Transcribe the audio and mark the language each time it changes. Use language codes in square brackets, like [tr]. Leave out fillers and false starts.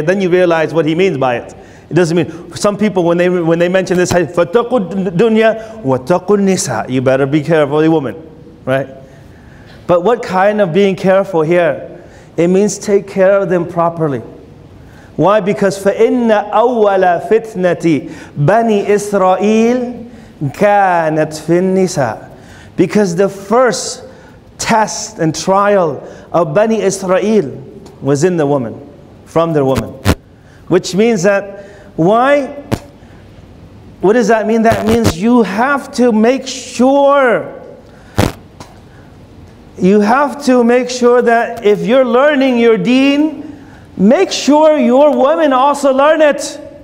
[en] Then you realize what he means by it. It doesn't mean, some people when they mention this, fattaqu ad-dunya wa taqu an-nisa, you better be careful the woman, right? But what kind of being careful here? It means take care of them properly. Why? [ar] Because فَإِنَّ أَوَّلَ فِتْنَةِ بَنِي إِسْرَائِيلِ كَانَتْ فِي النِّسَاءِ. [en] Because the first test and trial of Bani Israel was in the woman, from the woman. Which means that, why? What does that mean? That means you have to make sure, you have to make sure that if you're learning your deen, make sure your women also learn it.